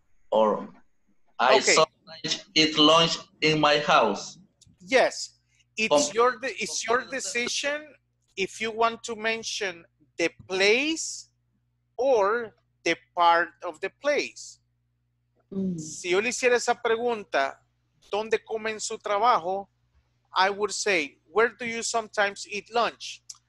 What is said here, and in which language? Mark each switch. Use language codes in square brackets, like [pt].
[en] or I sometimes eat lunch in my house. Yes, it's your decision if you want to mention the place or the part of the place. [es] Si yo le hiciera esa pregunta, ¿dónde comen su trabajo? [en] I would say, where do you sometimes eat lunch?